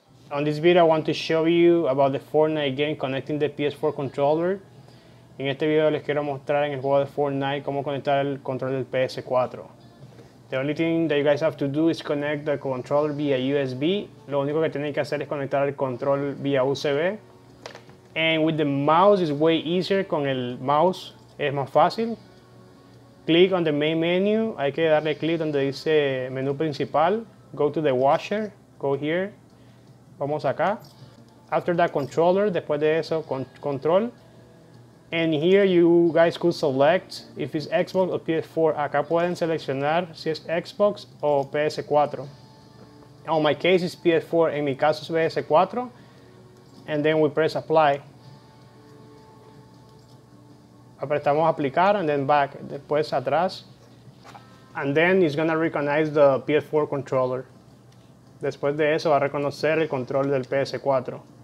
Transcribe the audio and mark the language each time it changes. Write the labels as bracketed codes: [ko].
[en] On this video, I want to show you about the Fortnite game connecting the PS4 controller. [es] En este video les quiero mostrar en el juego de Fortnite cómo conectar el control del PS4. [en] The only thing that you guys have to do is connect the controller via USB. [es] Lo único que tienen que hacer es conectar el control via USB. [en] And with the mouse, it's way easier. [es] Con el mouse es más fácil. [en] Click on the main menu. [es] Hay que darle click donde dice menú principal. [en] Go to the washer. Go here. [es] Vamos acá. [en] After that, controller. [es] Después de eso, control. [en] And here you guys could select if it's Xbox or PS4. [es] Acá pueden seleccionar si es Xbox o PS4. [en] On my case, it's PS4. [es] En mi caso, es PS4. [en] And then we press apply. [es] Apretamos aplicar [en] and then back. [es] Después atrás. [en] And then it's going to recognize the PS4 controller. [es] Después de eso va a reconocer el control del PS4.